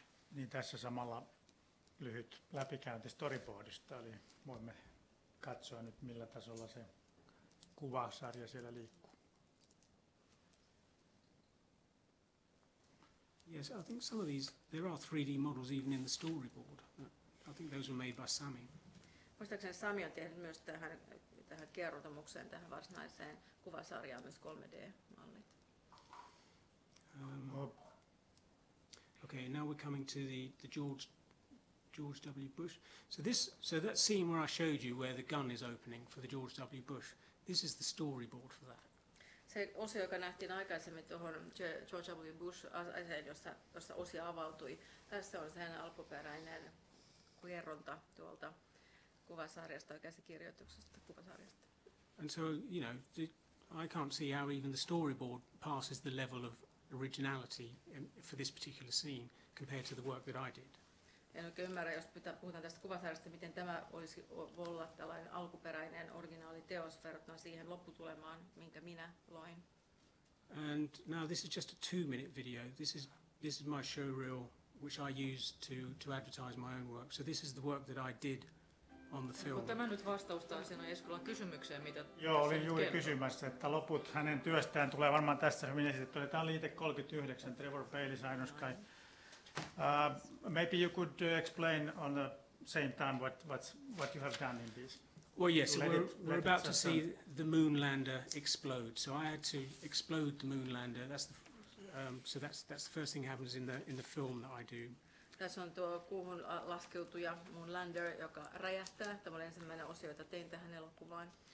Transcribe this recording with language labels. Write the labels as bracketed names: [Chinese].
[Finnish] Niin tässä samalla lyhyt läpikäynti storyboardista, eli voimme katsoa nyt millä tasolla se kuvasarja siellä liikkuu. [English] Yes, I think some of these, there are 3D models even in the storyboard. I think those were made by Sami. [Finnish] Muistaakseni Sami on tehnyt myös tähän kerrotamukseen, tähän varsinaiseen kuvasarjaan myös 3D-mallit. [English] Okay, now we're coming to the George W. Bush. So that scene where I showed you where the gun is opening for the George W. Bush, this is the storyboard for that. [Finnish] Se osio, joka nähtiin aikaisemmin tuohon George W. Bush -aseen, jossa osio avautui. Tässä on sen alkuperäinen kerronta tuolta kuvasarjasta, käsikirjoituksesta kuvasarjasta. [English] And so, you know, I can't see how even the storyboard passes the level of originality for this particular scene compared to the work that I did. [Finnish] En oikein ymmärrä, jos puhutaan tästä kuvasarjasta, miten tämä olisi olla tällainen alkuperäinen originaali teos verrattuna siihen lopputulemaan, minkä minä loin. [English] And now this is just a 2-minute video. This is my showreel, which I use to advertise my own work. So this is the work that I did on the film. [Finnish] Tämä nyt vastaustaa sen Eskulan kysymykseen, mitä... Joo, olin juuri kysymässä, että loput hänen työstään tulee varmaan tässä hyvin esitetty. Tämä on liite 39, Trevor Bailey's Iron Sky. [English] Maybe you could explain on the same time what you have done in this. Well, yes, we're about to see the moon lander explode. So I had to explode the moon lander. That's the first thing that happens in the film that I do. [Finnish] Tässä on tuo kuuhun laskeutuja moon lander, joka räjähtää. Tämä oli ensimmäinen osio, jota tein tähän elokuvaan.